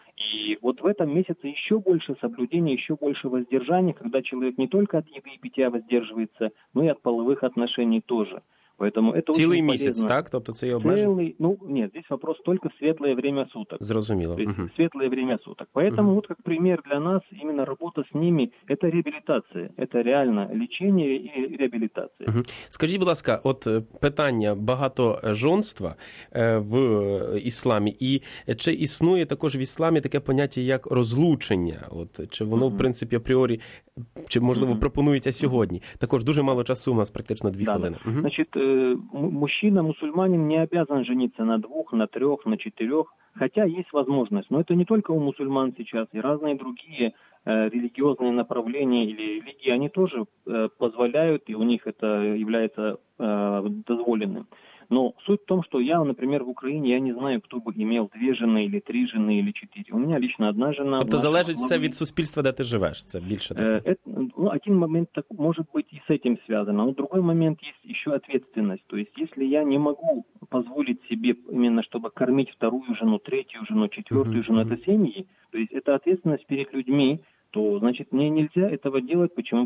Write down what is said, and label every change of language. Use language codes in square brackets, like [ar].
[ru] И вот в этом месяце еще больше соблюдения, еще больше воздержания, когда человек не только от еды и питья воздерживается, но и от половых отношений тоже. Поэтому это целый очень месяц, полезно. [uk] Так? Тобто це обмежує? [ru] Ну, нет, здесь вопрос только в светлое время суток. [uk] Зрозуміло. [ru] Светлое время суток. Поэтому вот как пример для нас, именно работа с ними, это реабилитация. Это реально лечение и реабилитация. [uk] Скажіть, будь ласка, от питання багатоженства в ісламі, і чи існує також в ісламі таке поняття, як розлучення? От, чи воно, в принципі, апріорі, чи, можливо, пропонується сьогодні? Також дуже мало часу у нас, практично дві хвилини. Значить, [ru] мужчина, мусульманин не обязан жениться на двух, на трех, на четырех, хотя есть возможность. Но это не только у мусульман сейчас, и разные другие религиозные направления или религии, они тоже позволяют, и у них это является дозволенным. Но суть в том, что я, например, в Украине, я не знаю, кто бы имел две жены или три жены или четыре. У меня лично одна жена. [uk] Тобто залежить це від суспільства, де ти живеш, це більше так. [ru] Один момент так может быть и с этим связано, но другой момент есть еще ответственность. То есть если я не могу позволить себе именно чтобы кормить вторую жену, третью жену, четвертую жену, это семьи, то есть это ответственность перед людьми, то значит мне нельзя этого делать. Почему?